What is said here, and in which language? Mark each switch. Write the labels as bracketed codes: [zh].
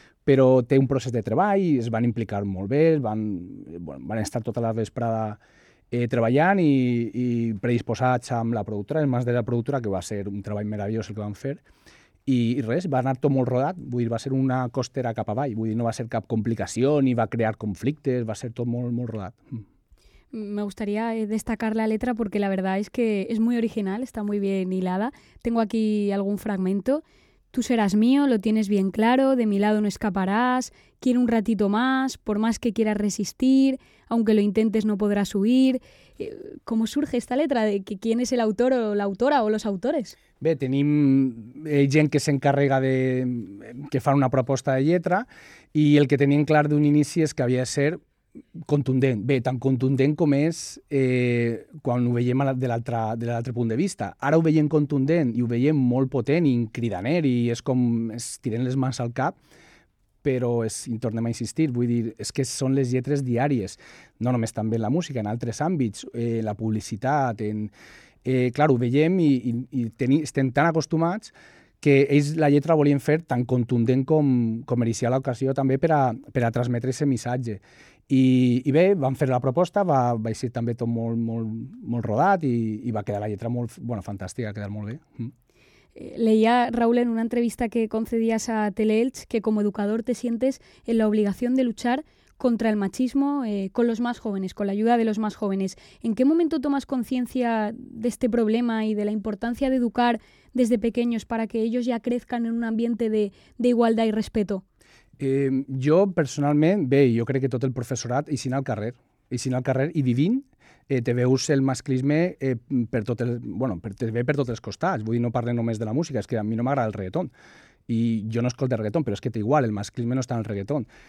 [ca] Però té un procés de treball, es van implicar molt bé, van estar tota la vesprada treballant i predisposats amb la productora, en mans de la productora, que va ser un treball meravellós el que van fer, I res, va anar tot molt rodat, vull dir, va ser una costera cap avall, vull dir, no va ser cap complicació ni va crear conflictes, va ser tot molt, molt rodat. [es] Me gustaría destacar la letra porque la verdad es que es muy original, está muy bien hilada. Tengo aquí algún fragmento. Tú serás mío, lo tienes bien claro, de mi lado no escaparás, quiero un ratito más, por más que quieras resistir, aunque lo intentes no podrás huir. ¿Cómo surge esta letra? ¿De quién es el autor o la autora o los autores? [ca] Bé, tenim gent que s'encarrega de... que fa una proposta de lletra i el que tenien clar d'un inici és que havia de ser contundent. Bé, tan contundent com és quan ho veiem de l'altre punt de vista. Ara ho veiem contundent i ho veiem molt potent i cridaner i és com estirant les mans al cap, però és, i tornem a insistir, vull dir, és que són les lletres diàries, no només també en la música, en altres àmbits, la publicitat, en... clar, ho veiem i estem tan acostumats que ells la lletra la volien fer tan contundent com mereixia l'ocasió també per a transmetre aquest missatge. I bé, vam fer la proposta, va ser també tot molt, molt, molt rodat i va quedar la lletra molt, bueno, fantàstica, ha quedat molt bé. [es] Leía, Raúl, en una entrevista que concedías a Teleelch, que com educador te sientes en la obligación de luchar contra el machismo con los más jóvenes, con la ayuda de los más jóvenes. ¿En qué momento tomas conciencia de este problema y de la importancia de educar desde pequeños para que ellos ya crezcan en un ambiente de igualdad y respeto? [ca] Jo personalment, bé, jo crec que tot el professorat i sinal al carrer i vivint, te veus el masclisme per tots els costats. Vull dir, no parlem només de la música, és que a mi no m'agrada el reggaeton. I jo no escolto el reggaeton, però és que té igual, el masclisme no està en el reggaeton.